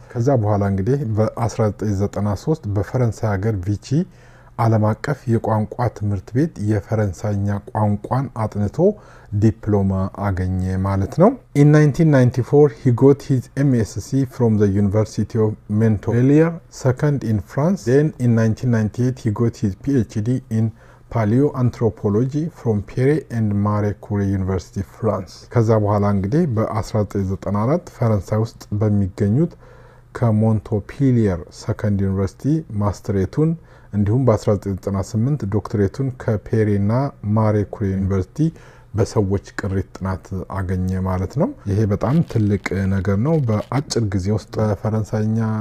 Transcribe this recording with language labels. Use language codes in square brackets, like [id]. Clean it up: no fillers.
[am] ከዛ በኋላ እንግዲህ በ1993 በፈረንሳይ ሀገር ቪቺ ዓለም አቀፍ የቋንቋ ትምህርት ቤት የፈረንሳይኛ ቋንቋን አጥንቶ ዲፕሎማ አገኘ ማለት ነው። [en] In 1994 he got his MSc from the University of Montpellier, second in France. Then in 1998 he got his PhD in Paleoanthropology from Pierre and Marie Curie University, France. [am] ከዛ በኋላ እንግዲህ በ1994 ፈረንሳይ ውስጥ በሚገኙት ከMontpellier second university ማስተሬቱን እንዲሁም በ1998 ዶክትሬቱን ከፔሬና ማሬ ኩሪ ዩኒቨርሲቲ በሰዎች ቅሪት ጥናት አገኘ ማለት ነው። ይሄ በጣም ትልቅ ነገር ነው። በአጭር ጊዜ ውስጥ ፈረንሳይኛ